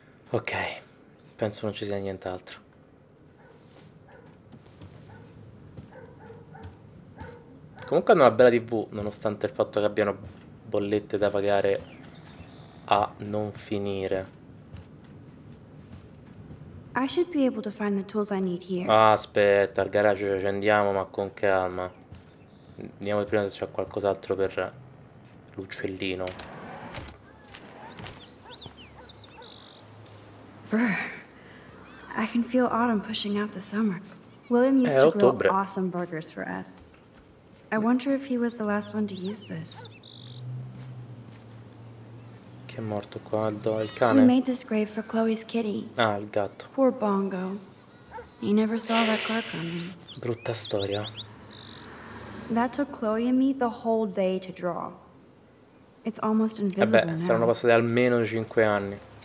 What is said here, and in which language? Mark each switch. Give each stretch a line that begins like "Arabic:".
Italian: Ok, penso non ci sia nient'altro. Comunque hanno una bella TV, nonostante il fatto che abbiano bollette da pagare a non finire.
English: I should be able to find the tools I need here.
Italian: Aspetta, al garage ci accendiamo, ma con calma. Vediamo prima se c'è qualcos'altro per l'uccellino. Brr.
English: I can feel autumn pushing out the summer. William used to
Italian: ottobre.
English: Grill awesome burgers for us. I wonder if he was the last one to use this.
Italian: Chi è morto qua? Il cane?
English: We made this grave for Chloe's kitty.
Italian: Ah, il gatto.
English: Poor Bongo. He never saw that car coming.
Italian: Brutta storia.
English: That took Chloe and me the whole day to draw. It's almost invisible now.
Italian: Vabbè, saranno passati almeno 5 anni.